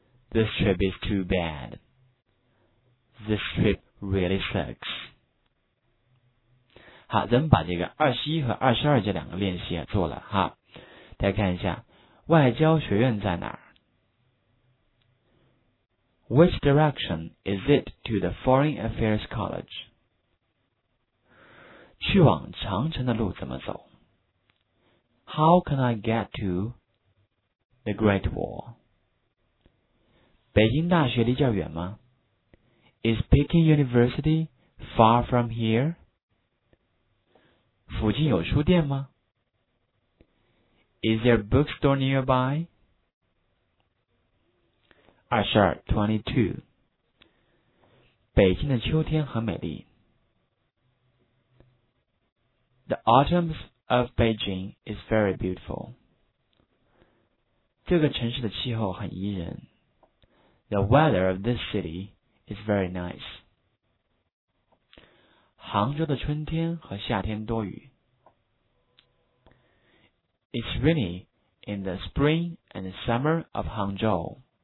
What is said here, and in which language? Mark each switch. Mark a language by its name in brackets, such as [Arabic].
[English] This trip is too bad. This trip really sucks. [Chinese] 好，咱们把这个21和22这两个练习也做了哈。大家看一下，外交学院在哪儿？ [English] Which direction is it to the Foreign Affairs College? [Chinese] 去往长城的路怎么走 [English] ?How can I get to the Great Wall? [Chinese] 北京大学离这儿远吗 [English] ?Is Peking University far from here? [Chinese] 附近有书店吗 [English] ?Is there a bookstore nearby? [Chinese] 22, 北京的秋天很美丽。 [English] The autumn of Beijing is very beautiful. [Chinese] 这个城市的气候很宜人。 [English] The weather of this city is very nice. [Chinese] 杭州的春天和夏天多雨。 [English] It's rainy in the spring and summer of Hangzhou.